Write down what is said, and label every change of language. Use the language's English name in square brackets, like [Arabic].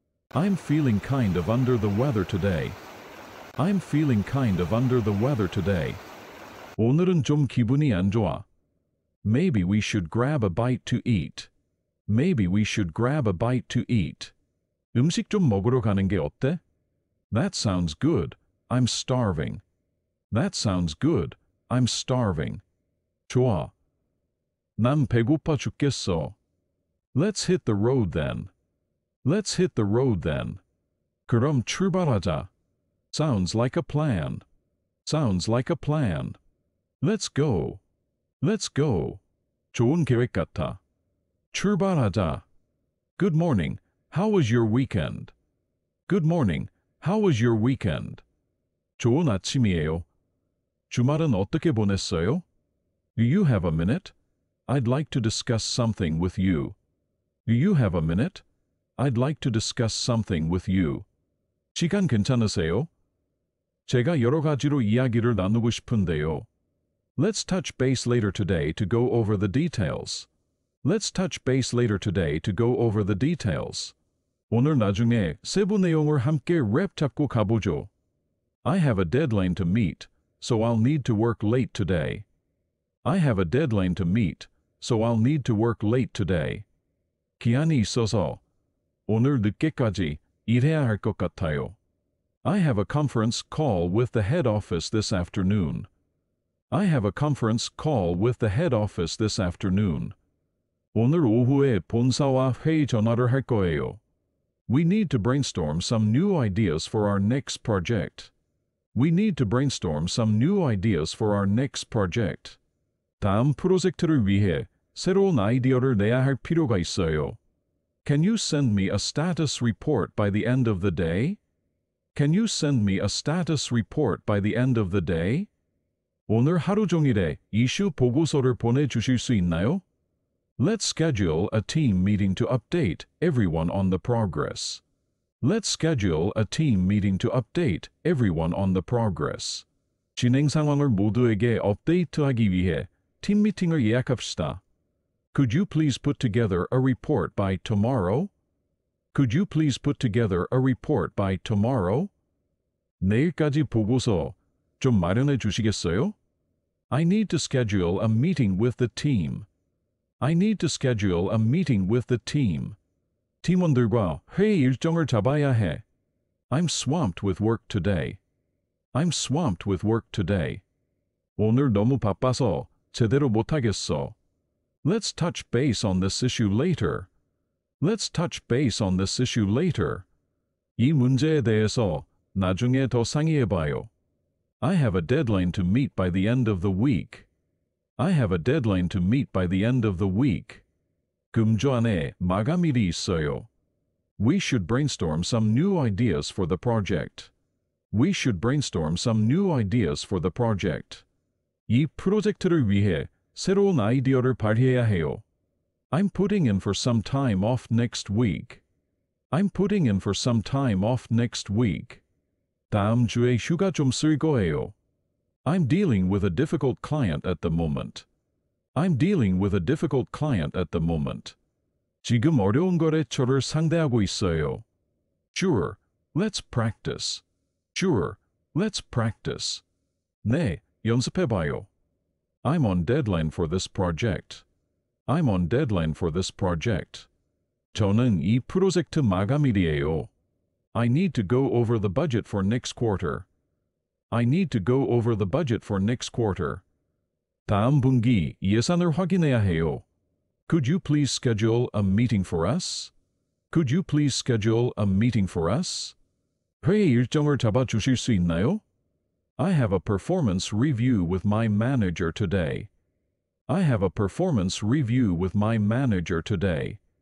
[English] I'm feeling kind of under the weather today. I'm feeling kind of under the weather today. [Korean] 오늘은 좀 기분이 안 좋아. [English] Maybe we should grab a bite to eat. Maybe we should grab a bite to eat. [Korean] 음식 좀 먹으러 가는 게 어때? [English] That sounds good. I'm starving. That sounds good. I'm starving. [Korean] 좋아. 난 배고파 죽겠어. [English] Let's hit the road then. Let's hit the road then. [Korean] 그럼 출발하자. [English] Sounds like a plan. Sounds like a plan. Let's go. Let's go. [Korean] 좋은 계획 같아. 출발하자. [English] Good morning. How was your weekend? Good morning. How was your weekend? [Korean] 좋은 아침이에요. 주말은 어떻게 보냈어요? [English] Do you have a minute? I'd like to discuss something with you. Do you have a minute? I'd like to discuss something with you. [Korean] 시간 괜찮으세요? 제가 여러 가지로 이야기를 나누고 싶은데요. [English] Let's touch base later today to go over the details. Let's touch base later today to go over the details. [Korean] 오늘 나중에 세부 내용을 함께 랩 잡고 가보죠. [English] I have a deadline to meet, so I'll need to work late today. I have a deadline to meet, so I'll need to work late today. [Korean] 기한이 있어서 오늘 늦게까지 일해야 할 것 같아요. [English] I have a conference call with the head office this afternoon. I have a conference call with the head office this afternoon. [Korean] 오늘 오후에 본사와 회의 전화를 할 거예요. [English] We need to brainstorm some new ideas for our next project. We need to brainstorm some new ideas for our next project. [Korean] 다음 프로젝트를 위해 새로운 아이디어를 내야 할 필요가 있어요. [English] Can you send me a status report by the end of the day? Can you send me a status report by the end of the day? [Korean] 오늘 하루 종일에 이슈 보고서를 보내주실 수 있나요? [English] Let's schedule a team meeting to update everyone on the progress. Let's schedule a team meeting to update everyone on the progress. [Korean] 진행 상황을 모두에게 업데이트하기 위해 팀 미팅을 예약합시다. [English] Could you please put together a report by tomorrow? Could you please put together a report by tomorrow? [Korean] 내일까지 보고서 좀 마련해 주시겠어요? [English] I need to schedule a meeting with the team. I need to schedule a meeting with the team. [Korean] 팀원들과 회의 일정을 잡아야 해. [English] I'm swamped with work today. I'm swamped with work today. [Korean] 오늘 너무 바빠서 제대로 못 하겠어. [English] Let's touch base on this issue later. Let's touch base on this issue later. [Korean] 이 문제에 대해서 나중에 더 상의해 봐요. [English] I have a deadline to meet by the end of the week. I have a deadline to meet by the end of the week. [Korean] 금주 안에 마감일이 있어요. [English] We should brainstorm some new ideas for the project. We should brainstorm some new ideas for the project. [Korean] 이 프로젝트를 위해 새로운 아이디어를 발휘해야 해요. [English] I'm putting in for some time off next week. I'm putting in for some time off next week. [Korean] 다음 주에 휴가 좀 쓸 거예요. [English] I'm dealing with a difficult client at the moment. I'm dealing with a difficult client at the moment. [Korean] 지금 어려운 거래처를 상대하고 있어요. [English] Sure, let's practice. Sure, let's practice. [Korean] 네, 연습해봐요. [English] I'm on deadline for this project. I'm on deadline for this project. [Korean] 저는 이 프로젝트 마감일이에요. [English] I need to go over the budget for next quarter. I need to go over the budget for next quarter. [Korean] 다음 분기 예산을 확인해야 해요. [English] Could you please schedule a meeting for us? Could you please schedule a meeting for us? [Korean] 회의 일정을 잡아주실 수 있나요? [English] I have a performance review with my manager today. I have a performance review with my manager today.